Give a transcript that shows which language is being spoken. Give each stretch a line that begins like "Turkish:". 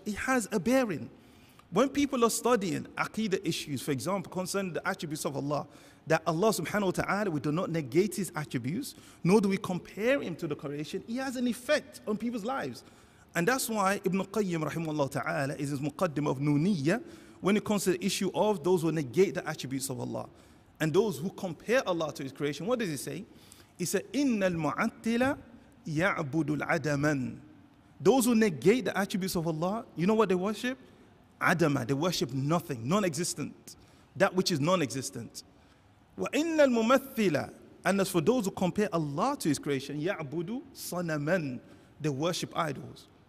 English: It has a bearing. When people are studying aqidah issues, for example, concerning the attributes of Allah, that Allah subhanahu wa ta'ala, we do not negate his attributes, nor do we compare him to the creation, he has an effect on people's lives. And that's why Ibn Qayyim rahimahullah ta'ala is his muqaddim of Nuniyya when it comes to the issue of those who negate the attributes of Allah. And those who compare Allah to his creation, what does he say?
Arabic: He said, إِنَّ الْمُعَتِّلَ يَعْبُدُ الْعَدَمَنِ.
English: Those who negate the attributes of Allah, you know what they worship? Adama, they worship nothing, non-existent, that which is non-existent.
Arabic: وَإِنَّ الْمُمَثِّلَ.
English: And as for those who compare Allah to his creation,
Arabic: يَعْبُدُ صَنَمَنِ,
English: they worship idols.